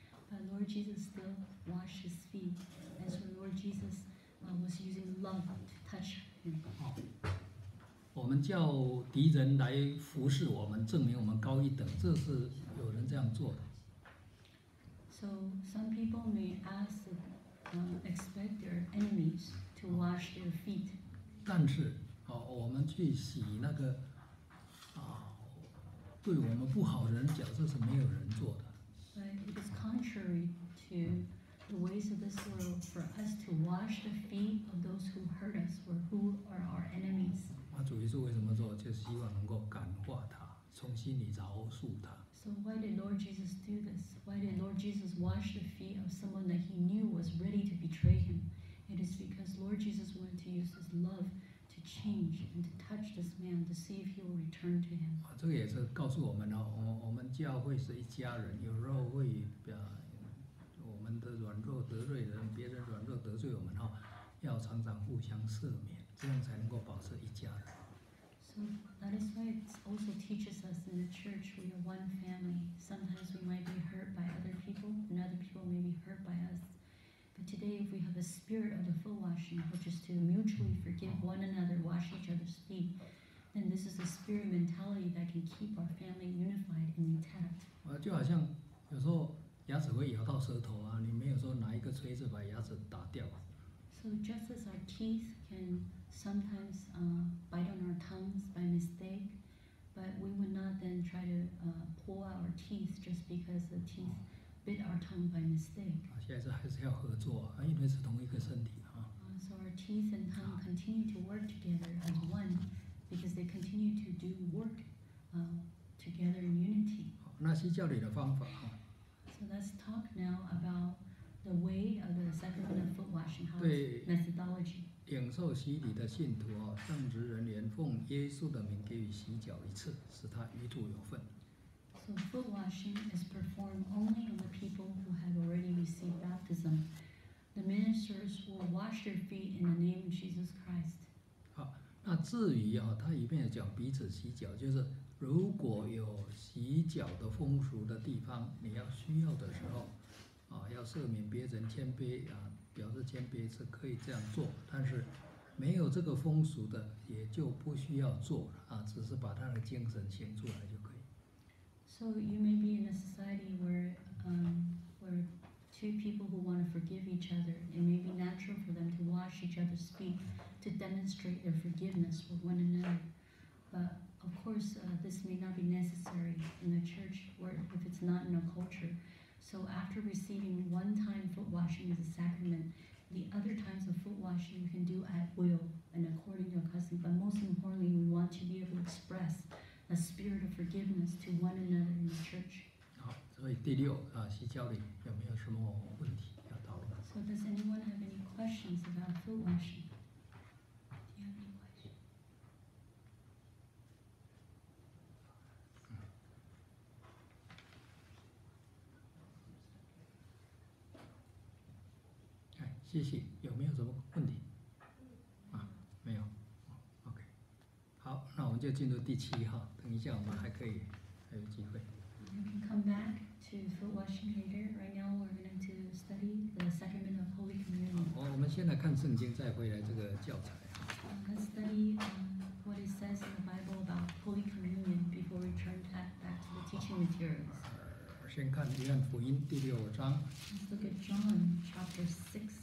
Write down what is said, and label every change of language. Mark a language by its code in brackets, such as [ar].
[en] But Lord Jesus still washed his feet, and so Lord Jesus was using love to touch him. [zh] 我们叫敌人来服侍我们，证明我们高一等，这是有人这样做的。 [en] So some people may ask, expect their enemies to wash their feet. [zh] 但是，我们去洗那个，对我们不好的人脚，这是没有人做的。 [en] But it is contrary to the ways of this world for us to wash the feet of those who hurt us or who are our enemies. [zh] 主耶稣为什么做？就希望能够感化他，从心里饶恕他。 [en] So why did Lord Jesus do this? Why did Lord Jesus wash the feet of someone that he knew was ready to betray him? It is because Lord Jesus wanted to use his love to change and to touch this man to see if he will return to him. [zh] 这个也是告诉我们哦，我们教会是一家人，有肉会我们的软弱得罪人，别人软弱得罪我们哦，要常常互相赦免。这样才能够保持一家人。 [en] So that is why it also teaches us in the church we are one family. Sometimes we might be hurt by other people, and other people may be hurt by us. But today, if we have a spirit of the foot washing, which is to mutually forgive one another, wash each other's feet, then this is a spirit mentality that can keep our family unified and intact. [zh] 就好像有时候牙齿会咬到舌头啊，你没有说拿一个锤子把牙齿打掉。 [en] So just as our teeth can sometimes bite on our tongues by mistake, but we would not then try to pull out our teeth just because the teeth bit our tongue by mistake. [zh] 现在还是要合作，因为是同一个身体啊。 [en] So our teeth and tongue continue to work together as one, because they continue to do work together in unity. [zh] 那些教理的方法啊。 [en] So let's talk now about. The way of the sacrament of foot washing, how its methodology. [zh] 领受洗礼的信徒哦，圣职人员奉耶稣的名给予洗脚一次，使他与主有份。 [en] So foot washing is performed only on the people who have already received baptism. The ministers will wash their feet in the name of Jesus Christ. [zh] 好，那至于啊，他一面讲彼此洗脚，就是如果有洗脚的风俗的地方，你要需要的时候。要赦免别人谦卑啊，表示谦卑是可以这样做，但是没有这个风俗的也就不需要做啊，只是把他的精神显出来就可以。 [en] So you may be in a society where where two people who want to forgive each other, it may be natural for them to wash each other's feet to demonstrate their forgiveness for one another. But of course, this may not be necessary in the church or if it's not in a culture. So after receiving one time foot washing as a sacrament, the other times of foot washing you can do at will and according to your custom. But most importantly, we want to be able to express a spirit of forgiveness to one another in the church. [zh] 所以第六啊，洗脚礼有没有什么问题要讨论 [en] ？So does anyone have any questions about foot washing? Do you have any questions? [zh] 哎，谢谢，有没有什么问题？啊，没有。 OK， 好，那我们就进入第七哈。等一下，我们还可以还有机会。 [en] You can come back to foot washing later. Right now, we're going to study the sacrament of Holy Communion. [zh] 我们先来看圣经，再回来这个教材。 [en] Let's study what it says in the Bible about Holy Communion before we turn back to the teaching materials. [zh] 先看约翰福音第六章。 [en] Let's look at John chapter 6.